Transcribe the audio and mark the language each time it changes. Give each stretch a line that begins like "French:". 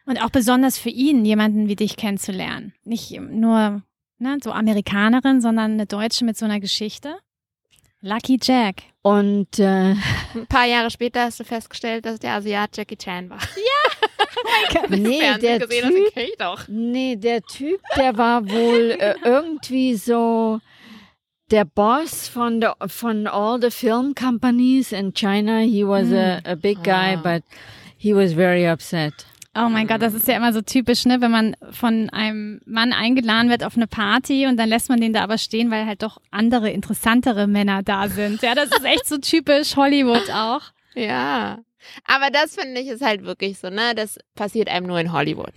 German: Und auch besonders für ihn, jemanden wie dich kennenzulernen. Nicht nur so Amerikanerin, sondern eine Deutsche mit so einer Geschichte.
English: Lucky Jack.
German: Und ein paar Jahre später hast du festgestellt, dass der Asiat Jackie Chan war. Ja! Der Typ, der war wohl irgendwie so...
English: Der Boss von all the film companies in China, he was a big guy, but he was very upset.
German: Oh mein Gott, das ist ja immer so typisch, ne? Wenn man von einem Mann eingeladen wird auf eine Party und dann lässt man den da aber stehen, weil halt doch andere, interessantere Männer da sind. Ja, das ist echt so typisch Hollywood auch. Ja. Aber das finde ich ist halt wirklich so, ne? Das passiert einem nur in Hollywood.